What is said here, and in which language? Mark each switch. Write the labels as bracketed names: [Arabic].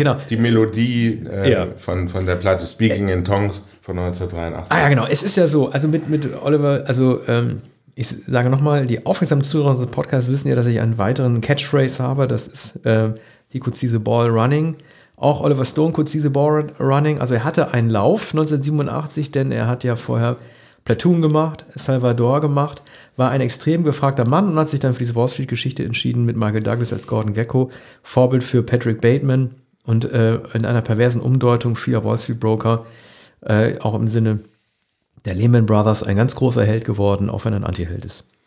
[German] die Melodie von der Platte Speaking in Tongues von 1983. Ah ja, genau. Es ist ja so, also mit Oliver, also ich sage nochmal, die aufmerksamen Zuhörer unseres Podcasts wissen ja, dass ich einen weiteren Catchphrase habe, das ist [English] He could see the ball running. Auch Oliver Stone could see the ball running. [German] Also er hatte einen Lauf 1987, denn er hat ja vorher Platoon gemacht, Salvador gemacht, war ein extrem gefragter Mann und hat sich dann für diese Wall Street-Geschichte entschieden mit Michael Douglas als Gordon Gekko, Vorbild für Patrick Bateman und in einer perversen Umdeutung vieler Wall Street-Broker, auch im Sinne der Lehman Brothers, ein ganz großer Held geworden, auch wenn er ein Anti-Held ist.